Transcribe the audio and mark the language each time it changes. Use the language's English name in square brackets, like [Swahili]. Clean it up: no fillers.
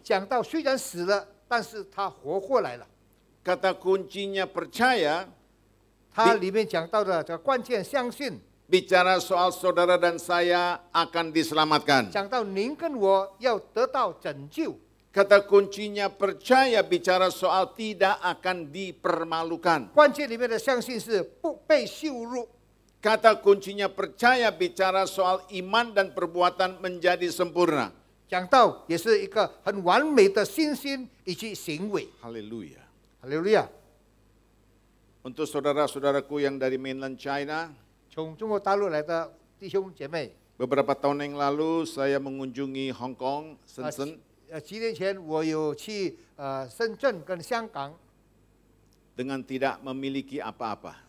[Chinese] 讲到虽然死了, 但是他活过来了. [Indonesian] Kata kuncinya percaya. [Chinese] 它里面讲到的这个关键相信, [Indonesian] bicara soal saudara dan saya akan diselamatkan. [Chinese] 讲到您跟我要得到拯救. [Indonesian] Kata kuncinya percaya bicara soal tidak akan dipermalukan. [Chinese] 关键里面的相信是不被羞辱. [Indonesian] Kata kuncinya percaya bicara soal iman dan perbuatan menjadi sempurna. [Chinese] 讲到也是一个很完美的信心以及行为. [Indonesian] Haleluya. Haleluya. Untuk saudara-saudaraku yang dari mainland China, [Chinese] 从中国大陆来的弟兄姐妹, [Indonesian] beberapa tahun yang lalu saya mengunjungi Hong Kong, Shenzhen. [Chinese] 几年前我有去深圳跟香港, [Indonesian] dengan tidak memiliki apa-apa.